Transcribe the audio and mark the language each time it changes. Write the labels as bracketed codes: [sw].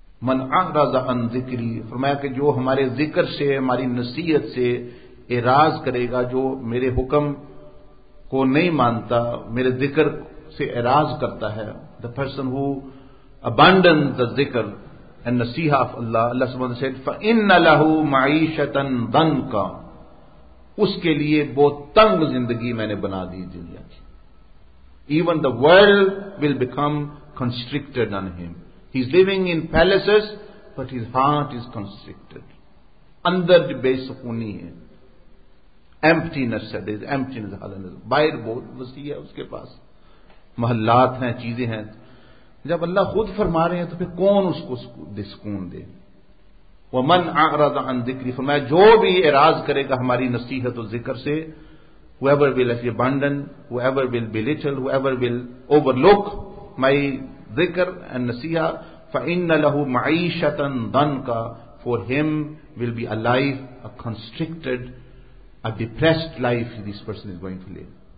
[ar] من اعرض عن ذکری, [ur] فرمایا کہ جو ہمارے ذکر سے, ہماری نصیحت سے اعراض کرے گا, جو میرے حکم کو نہیں مانتا, میرے ذکر سے اعراض کرتا ہے, [en] the person who abandons the ذکر and نصیحہ of Allah, [ur] اللہ سبحانہ وتعالیٰ said [ar] فَإِنَّ لَهُ مَعِيشَةً ضَنْكًا, [ur] اس کے لیے بہت تنگ زندگی میں نے بنا دی دنیا کی. [en] Even the world will become constricted on him. He is living in palaces, but his heart is constricted. [ur] اندر جو بے سکونی ہے, emptiness, باہر بہت وسیع ہے اس کے پاس, محلات ہیں, چیزیں ہیں. جب اللہ خود فرما رہے ہیں تو پھر کون اس کو سکون دے. [ar] وَمَنْ أَعْرَضَ عَنْ ذِكْرِ, [ur] فرمایا جو بھی اعراض کرے گا ہماری نصیحت و ذکر سے, [en] whoever will abandon, whoever will belittle, whoever will overlook my ذکر and نصیحہ, [ar] فَإِنَّ لَهُ مَعِيشَةً ضَنْكَ, [en] for him will be a life, a constricted, a depressed life this person is going to live.